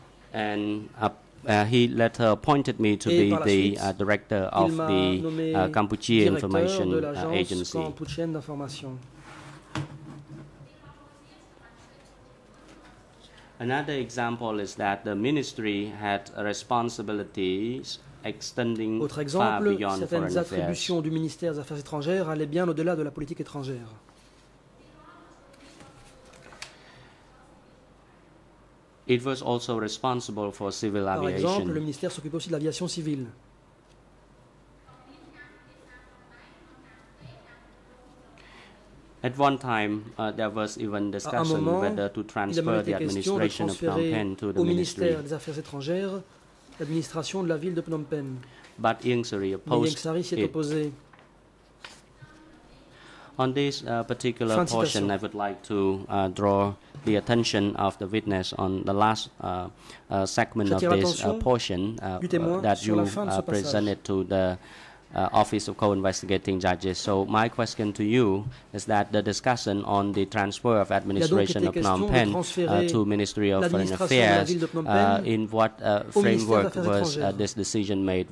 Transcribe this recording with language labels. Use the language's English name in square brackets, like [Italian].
[English] And he later appointed me to be the director of the Cambodia Information Agency. Another example is that the ministry had responsibilities extending far beyond [French] certaines attributions du ministère des Affaires étrangères allaient bien au-delà de la politique étrangère. [English] It was also responsible for civil aviation. [French] Par exemple, le ministère s'occupe aussi de l'aviation civile. [English] At one time, there was even discussion [French] moment, [English] whether to transfer the administration of Phnom Penh to the [French] au ministère des Affaires étrangères, l'administration de la ville de Phnom Penh. [English] But Yingsari opposed it. [French] S'est opposé. [English] On this particular portion, I would like to draw the attention of the witness on the last segment of this portion that you presented to the Office of Co-Investigating Judges. So my question to you is that the discussion on the transfer of administration of Phnom Penh to Ministry of Foreign Affairs, in what framework was this decision made?